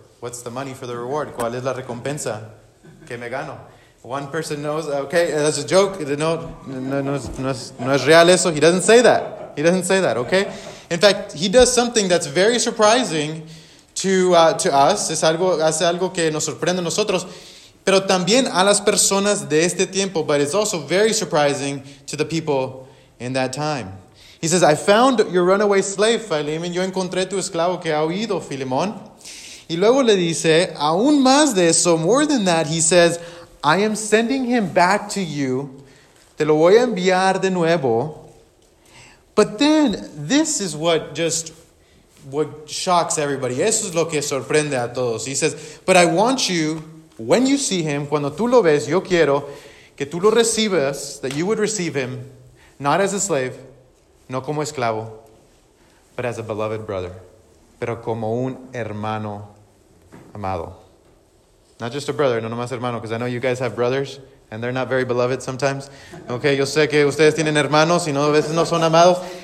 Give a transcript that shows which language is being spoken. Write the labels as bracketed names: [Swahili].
[English] What's the money for the reward? [Spanish] ¿Cuál es la recompensa que me gano? [English] One person knows, okay, that's a joke. [Spanish] No es real eso. [English] He doesn't say that. He doesn't say that, okay? In fact, he does something that's very surprising to us. [Spanish] Es algo, hace algo que nos sorprende a nosotros. Pero también a las personas de este tiempo, [English] but it's also very surprising to the people in that time. He says, I found your runaway slave, Philemon. [Spanish] Yo encontré tu esclavo que ha huido, Filemón. Y luego le dice, aún más de eso, [English] more than that, he says, I am sending him back to you. [Spanish] Te lo voy a enviar de nuevo. [English] But then, this is what just, what shocks everybody. [Spanish] Eso es lo que sorprende a todos. [English] He says, but I want you, when you see him, [Spanish] cuando tú lo ves, yo quiero que tú lo recibas, [English] that you would receive him, not as a slave, [Spanish] no como esclavo, [English] but as a beloved brother, [Spanish] pero como un hermano amado. [English] Not just a brother, [Spanish] no nomás hermano, [English] because I know you guys have brothers, and they're not very beloved sometimes. [Spanish] Okay, yo sé que ustedes tienen hermanos, y no, a veces no son amados.